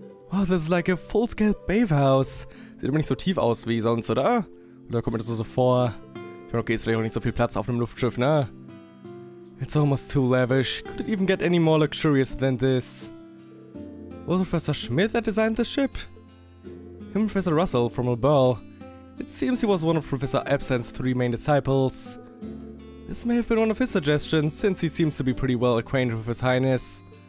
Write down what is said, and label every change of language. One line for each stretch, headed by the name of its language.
English: Wow, this is like a full-scale bathhouse.
German: Sieht aber nicht so tief aus wie sonst, oder? Oder kommt mir das so vor? Ich meine, okay, ist vielleicht auch nicht so viel Platz auf einem Luftschiff, ne?
English: It's almost too lavish. Could it even get any more luxurious than this? Well, Professor Schmidt that designed the ship. Him and Professor Russell from Lebel. It seems he was one of Professor Ebsen's three main disciples. This may have been one of his suggestions, since he seems to be pretty well acquainted with His Highness.